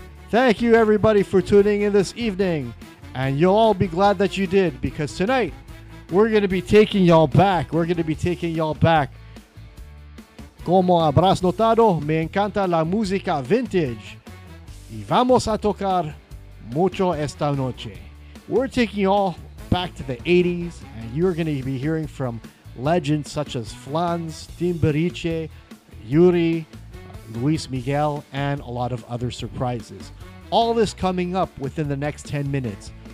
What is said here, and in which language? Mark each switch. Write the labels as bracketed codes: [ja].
[en] Thank you everybody for tuning in this evening. And you'll all be glad that you did, because tonight we're going to be taking y'all back. We're going to be taking y'all back. [es] Como habrás notado, me encanta la música vintage. Y vamos a tocar mucho esta noche. [en] We're taking y'all back to the 80s, and you're going to be hearing from legends such as Flans, Timbiriche, Yuri, Luis Miguel, and a lot of other surprises. All this coming up within the next 10 minutes.